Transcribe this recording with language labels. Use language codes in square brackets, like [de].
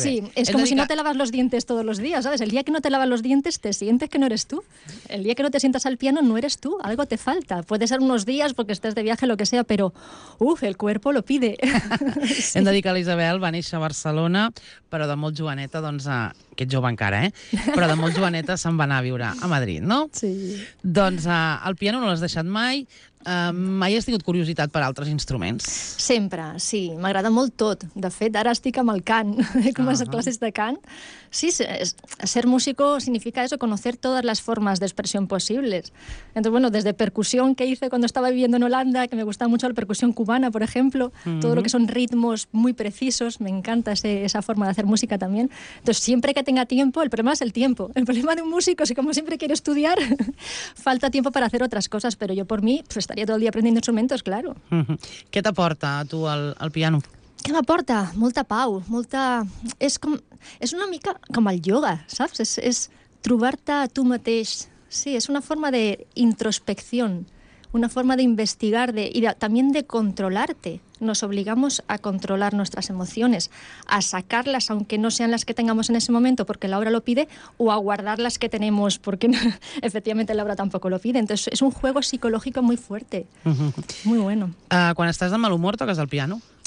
[es] Sí, és com si no te laves los dientes todos los días, ¿sabes? El día que no te laves los dientes, te sientes que no eres tú. El día que no te sientas al piano, no eres tú. Algo te falta. Puede ser unos días, porque estés de viaje, lo que sea, pero... Uf, el cuerpo lo pide. Sí. [ca] Hem de dir que l'Isabel va néixer a Barcelona, però de molt joveneta, doncs... que ets jove encara, però de molt joveneta se'n va anar a viure a Madrid, no? Sí. Doncs el piano no l'has deixat mai, Mai has tingut curiositat per altres instruments? Sempre, sí. M'agrada molt tot. De fet, ara estic amb el cant. He començat classes de cant. [es] Sí, ser músico significa eso, conocer todas las formas de expresión posibles. Entonces, bueno, desde percusión que hice cuando estaba viviendo en Holanda, que me gustaba mucho la percusión cubana, por ejemplo, todo lo que son ritmos muy precisos, me encanta esa forma de hacer música también. Entonces, siempre que tenga tiempo, el problema es el tiempo. El problema de un músico es que, como siempre quiere estudiar, falta tiempo para hacer otras cosas, pero yo por mí pues, estaría todo el día aprendiendo instrumentos, claro. ¿Qué te aporta a tú al piano? [ca] Què m'aporta? Molta pau, molta... És una mica com el ioga, saps? És trobar-te a tu mateix. Sí, és una forma d'introspecció, una forma d'investigar i també de controlar-te. [es] Nos obligamos a controlar nuestras emociones, a sacarlas, aunque no sean las que tengamos en ese momento, porque la obra lo pide, o a guardar las que tenemos, porque no, efectivamente la obra tampoco lo pide. Entonces, es un juego psicológico muy fuerte, muy bueno. [ca] Quan estàs de mal humor, toques el piano?